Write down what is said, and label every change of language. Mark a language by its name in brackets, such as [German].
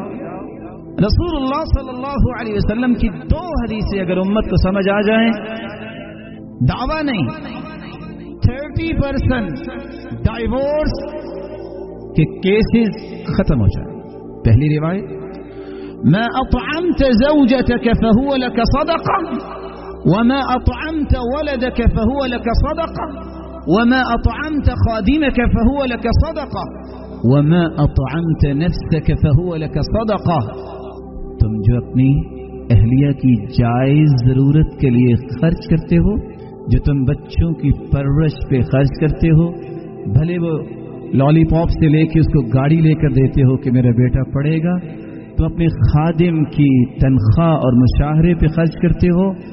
[Urdu] رسول اللہ صلی اللہ علیہ وسلم کی دو حدیثیں اگر امت کو سمجھ آ جائیں, دعویٰ نہیں 30% ڈائیورس کے کیسز ختم ہو جائے. پہلی روایت, [Arabic] ما اطعمت زوجتك فهو لك صدقہ وما اطعمت ولدك فهو لك صدقہ وما اطعمت خادمك فهو لك صدقہ وما اطعمت نفسك فهو لك صدقہ. [Urdu] تم جو اپنی اہلیہ کی جائز ضرورت کے لیے خرچ کرتے ہو, جو تم بچوں کی پرورش پہ خرچ کرتے ہو, بھلے وہ لالی پاپ سے لے کے اس کو گاڑی لے کر دیتے ہو کہ میرا بیٹا پڑھے گا, تو اپنے خادم کی تنخواہ اور مشاہرے پہ خرچ کرتے ہو